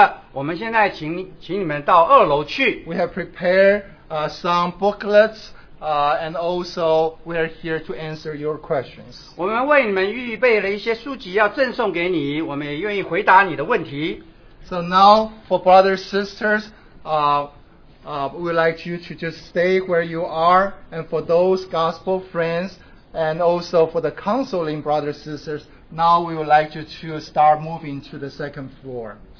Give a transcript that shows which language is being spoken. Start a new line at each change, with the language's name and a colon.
Chinese: 所以为了刚刚举手愿意接受耶稣基督做救主的，或者甚至即使你还有一些问题的，我们现在请你们到二楼去。
English: We have prepared some booklets, and also we are here to answer your questions.
Chinese: 我们为你们预备了一些书籍要赠送给你，我们也愿意回答你的问题。
English: So now, for brothers and sisters, we would like you to just stay where you are, and for those gospel friends, and also for the counseling brothers and sisters, now we would like you to start moving to the second floor.